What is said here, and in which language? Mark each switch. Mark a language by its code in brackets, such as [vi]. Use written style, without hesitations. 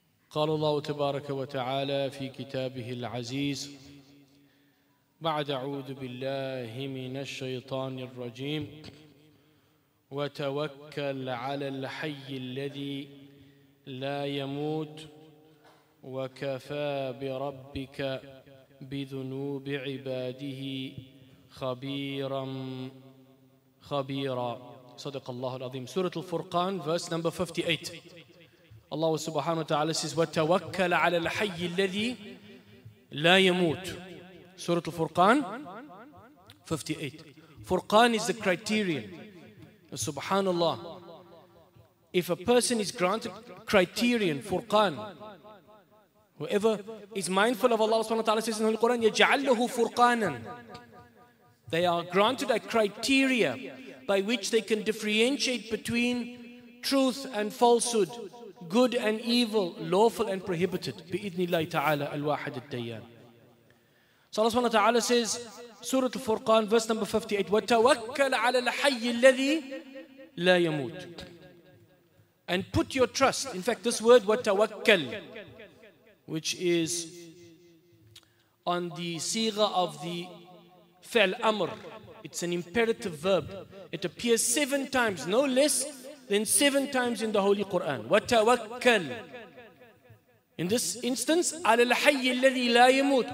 [ar] قال الله تبارك وتعالى في كتابه العزيز بعد: أعوذ بالله من الشيطان الرجيم، وتوكل على الحي الذي لا يموت وكفى بربك بذنوب عباده خبيرا خبيرا. صدق الله العظيم. [en] سورة الفرقان verse number 58. Allah subhanahu wa ta'ala says, [ar] وَتَوَكَّلْ عَلَى الْحَيِّ الَّذِي لَا يَمُوتُ. [en] Surah Al-Furqan 58. Furqan is the criterion. Subhanallah. If a person is granted criterion, Furqan, whoever is mindful of Allah subhanahu wa ta'ala says in the Quran, [ar] يَجْعَلَّهُ فُرْقَانًا. [en] They are granted a criteria by which they can differentiate between truth and falsehood, good and evil, lawful and prohibited. [ar] Bi-idhnillahi ta'ala al-wahid al-dayyan. [en] So Allah subhanahu wa ta'ala says, Surah Al-Furqan, verse number 58, [ar] وَتَوَكَّلْ عَلَى الْحَيِّ الَّذِي لَا يَمُوتُ. [en] And put your trust. In fact, this word, وَتَوَكَّلْ, which is on the siga of the fi'l amr. It's an imperative verb. It appears seven times, no less then seven times in the Holy Quran. [ar] وَتَوَكَّلْ. [en] In this instance, [ar] عَلَى الْحَيِّ الَّذِي لَا يَمُوتُ.